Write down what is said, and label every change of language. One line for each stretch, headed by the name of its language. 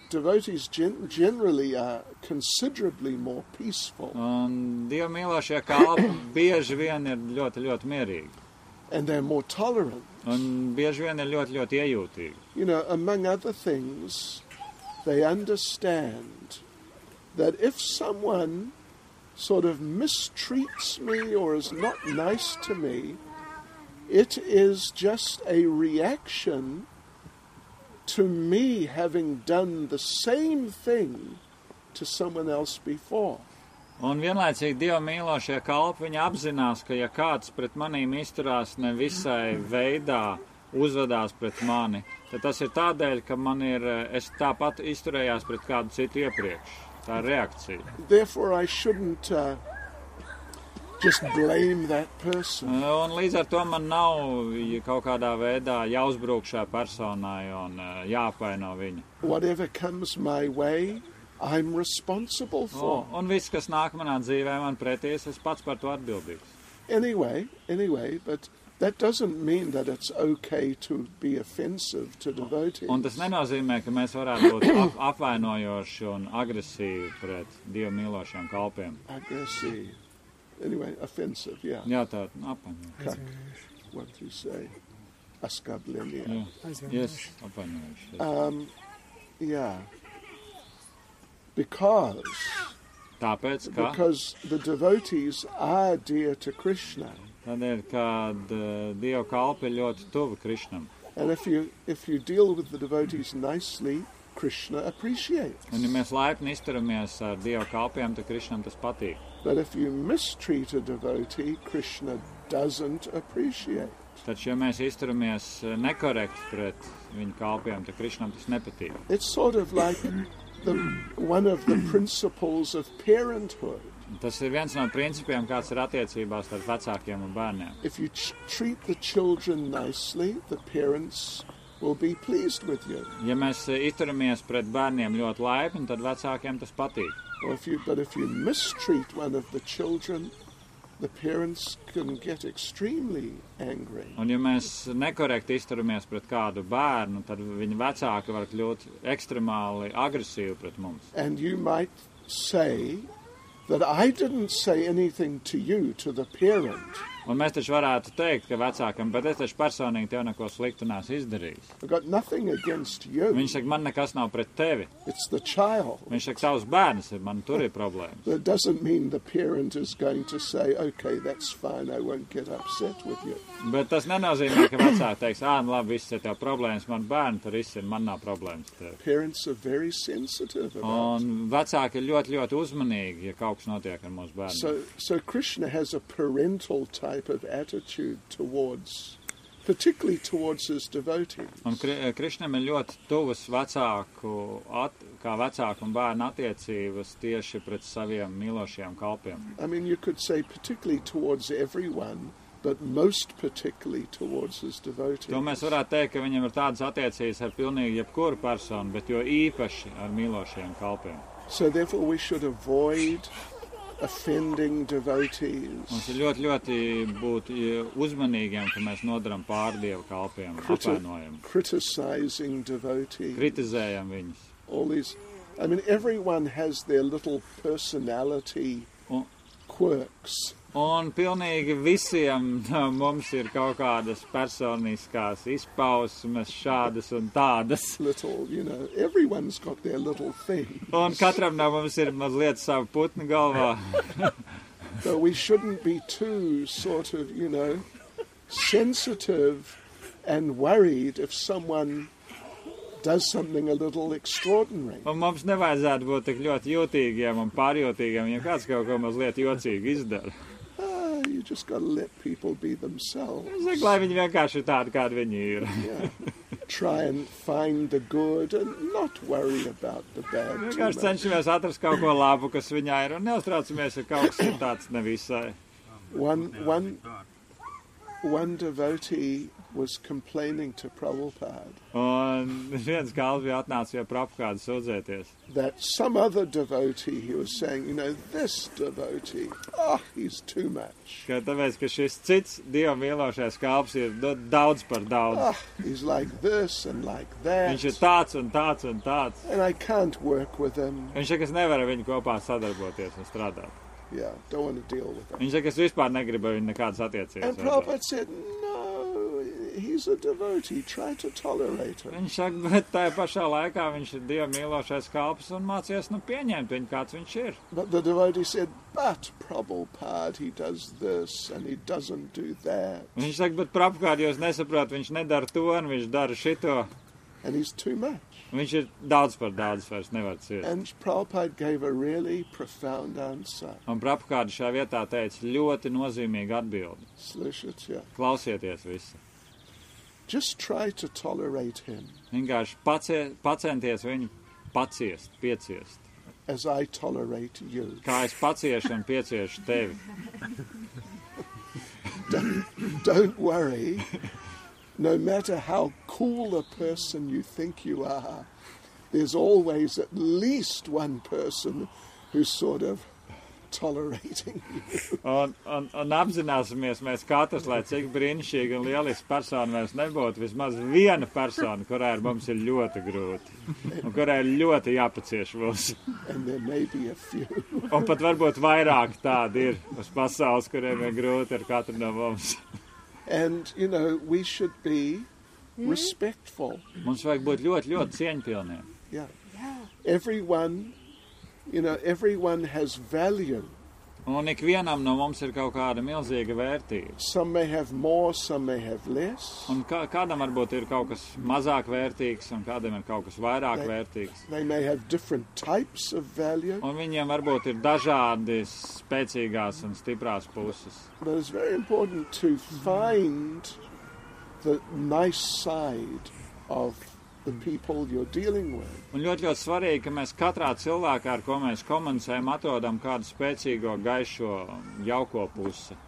English: Devotees generally are considerably more peaceful.
Latvian: Un Dieva mīlošie kalpi bieži vien ir ļoti, ļoti mierīgi.
English: And they're more tolerant.
Latvian: Un bieži vien ir ļoti, ļoti iejūtīgi.
English: You know, among other things, they understand that if someone sort of mistreats me or is not nice to me, it is just a reaction to me having done the same thing to someone else before.
Latvian: Un vienlaicīgi Dieva mīlošie kalpi, viņi apzinās, ka ja kāds pret manīm izturās nevisai veidā uzvedās pret mani, tad tas ir tādēļ, ka man ir, es tāpat izturējās pret kādu citu iepriekš. Tā ir reakcija.
English: Therefore I shouldn't just blame that person.
Latvian: Un līdz ar to man nav kaut kādā veidā jāuzbrūk šai personai un jāapvaino viņu.
English: Whatever comes my way, I'm responsible for.
Latvian: Un viss, kas nāk manā dzīvē, man pretīs, es pats par to atbildīgs.
English: Anyway, but that doesn't mean that it's okay to be offensive to devotees.
Latvian: Un tas nenozīmē, ka mēs varētu būt apvainojoši un agresīvi pret Dievu mīlošiem kalpiem.
English: Aggressive. Anyway, offensive, yeah.
Latvian: Jā, tā, apaņo.
Russian: Kak,
English: what do you say?
Russian: Askablenie.
English: Yeah. Yes, apaņo. Yeah. Because.
Latvian: Tāpēc, ka?
English: Because the devotees are dear to Krishna.
Latvian: Tādēļ, kad Dieva kalpi ļoti tuvi Krishnam.
English: And if you deal with the devotees nicely, Krishna appreciates.
Latvian: Un ja mēs laipni izturamies ar Dieva kalpiem, tad Krishnam tas patīk.
English: But if you mistreat a devotee, Krishna doesn't appreciate.
Latvian: Taču, ja mēs izturamies nekorekti pret viņu kalpiem, tad Krishnam tas nepatīk.
English: It's sort of like one of the principles of parenthood.
Latvian: Tas ir viens no principiem, kāds ir attiecībās ar vecākiem un bērniem.
English: If you treat the children nicely, the parents will be pleased with you.
Latvian: Ja mēs izturamies pret bērniem ļoti laipni, tad vecākiem tas patīk.
English: But if you mistreat one of the children, the parents can get extremely angry.
Latvian: Un ja mēs nekorekti izturamies pret kādu bērnu, tad viņa vecāki var kļūt ekstremāli agresīvi pret mums.
English: And you might say that I didn't say anything to you, to the parent.
Latvian: Un mēs taču varētu teikt, ka vecākam, bet es taču personīgi tev neko sliktu nās izdarījis.
English: I got nothing against you.
Latvian: Viņš saka, man nekas nav pret tevi.
English: It's the child.
Latvian: Viņš saka, tavs bērns ir, man tur ir problēmas.
English: That doesn't mean the parent is going to say, okay, that's fine, I won't get upset with you.
Latvian: Bet tas nenozīmē, ka vecāki teiks, nu labi, viss ir tev problēmas, man bērni tur izsina, man nav problēmas tev.
English: Parents are very sensitive about
Latvian: Un vecāki ir ļoti, ļoti uzmanīgi, ja kaut kas notiek ar mūsu bērniem.
English: So Krishna has a parental type of attitude towards particularly towards his devotees.
Latvian: Un Krišnam ir ļoti tuvas vecāku kā vecāku un bērnu attiecības tieši pret saviem mīlošajiem kalpiem.
English: I mean you could say particularly towards everyone but most particularly towards his devotees.
Latvian: Tu mēs varētu teikt, ka viņam ir tādas attiecības ar pilnīgi jebkuru personu, bet jo īpaši ar mīlošajiem kalpiem.
English: So therefore we should avoid offending devotees.
Latvian: Mums ir ļoti, ļoti būt uzmanīgiem, ka mēs nodaram pārdievu kalpiem, apvainojam.
English: Criticizing devotees.
Latvian: Kritizējam viņus.
English: All these, I mean, everyone has their little personality quirks.
Latvian: Un pilnīgi visiem mums ir kaut kādas personiskās izpausmes šādas un tādas.
English: Little, you know, everyone's got their little things.
Latvian: Un katram no mums ir mazliet savu putnu galvā.
English: But we shouldn't be too sort of, you know, sensitive and worried if someone does something a little extraordinary.
Latvian: Un mums nevajadzētu būt tik ļoti jūtīgiem un pārjūtīgiem, ja kāds kaut ko mazliet jocīgi izdara.
English: You just got to let people be themselves.
Latvian: Es domāju, viņi vienkārši ir tādi, kādi viņi ir.
English: Try and find the good and not worry about the bad.
Latvian: Vienkārši cenšamies atrast kaut ko labu, kas viņā ir, un neuztraucamies, ja kaut kas ir tāds nevisai.
English: One devotee was complaining to Prabhupada.
Latvian: Un viens kāds bija atnācis pie Prabhupada sūdzēties.
English: That some other devotee, he was saying, you know, this devotee, oh, he's too much.
Latvian: Ka tāpēc, ka šis cits dievu mīlošais kalps ir daudz par daudz.
English: Oh, he's like this and like that.
Latvian: Viņš ir tāds un tāds un tāds.
English: And I can't work with him.
Latvian: Viņš ir, ka es nevaru viņu kopā sadarboties un strādāt.
English: Yeah, don't want to deal with him.
Latvian: Viņš saka, es vispār negribu viņu nekādas attiecības.
English: And Prabhupada said, no, he's a devotee, try to tolerate him.
Latvian: Viņš saka, bet tajā pašā laikā viņš ir dievu mīlošais kalps un mācies nu pieņemt viņu, kāds viņš ir.
English: But the devotee said, but Prabhupada, he does this and he doesn't do that.
Latvian: Viņš saka, bet Prabhupada, jūs nesaprot, viņš nedara to un viņš dara šito.
English: And he's too much.
Latvian: Viņš ir daudz par daudz, vairs nevar ciest.
English: And Prabhupada gave a really profound answer.
Latvian: Un Prabhupada šajā vietā teica ļoti nozīmīgu atbildi.
Russian: Slušat,
Latvian: jā.
English: Yeah.
Latvian: Klausieties visi.
English: Just try to tolerate him.
Latvian: Vienkārši pacenties viņu paciest, pieciest.
English: As I tolerate you.
Latvian: Kā es paciešu un pieciešu tevi.
English: don't worry. No matter how cool a person you think you are, there's always at least one person who's sort of tolerating you.
Latvian: Un apzināsimies mēs katrs, lai cik brīnišķīgi un lielisks persona mēs nebūtu, vismaz viena persona, kurai ar mums ir ļoti grūti, un kurai ir ļoti jāpacieš mums.
English: And there may be a few.
Latvian: Un pat varbūt vairāk tādi ir uz pasaules, kuriem ir grūti ar katru no mums.
English: And you know we should be respectful.
Latvian: Mums vajag būt ļoti ļoti cieņpilniem.
English: Yeah. Everyone, you know, everyone has value.
Latvian: Un ikvienam no mums ir kaut kāda milzīga vērtība.
English: Some may have more, some may have less.
Latvian: Un kādam varbūt ir kaut kas mazāk vērtīgs, un kādam ir kaut kas vairāk vērtīgs.
English: They may have different types of value.
Latvian: Un viņiem varbūt ir dažādi spēcīgās un stiprās puses.
English: But it's very important to find the nice side of the people you're dealing with.
Latvian: Un ļoti, ļoti svarīgi, ka mēs katrā cilvēkā, ar ko mēs komunicējam, atrodam kādu spēcīgo, gaišo, jauko pusi.